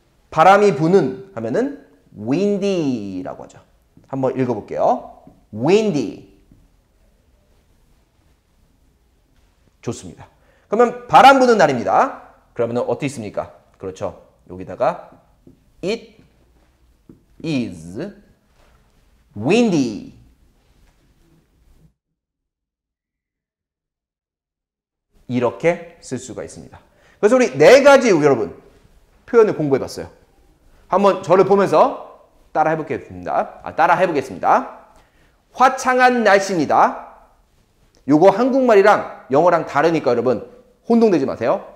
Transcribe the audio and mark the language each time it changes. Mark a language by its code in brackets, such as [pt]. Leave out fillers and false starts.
[ko] 바람이 부는 하면은 windy라고 하죠. 한번 읽어볼게요. windy. 좋습니다. 그러면 바람 부는 날입니다. 그러면 어떻게 있습니까? 그렇죠. 여기다가 [en] it is windy. [ko] 이렇게 쓸 수가 있습니다. 그래서 우리 네 가지 여러분 표현을 공부해봤어요. 한번 저를 보면서 따라해보겠습니다. 화창한 날씨입니다. 요거 한국말이랑 영어랑 다르니까 여러분 혼동되지 마세요.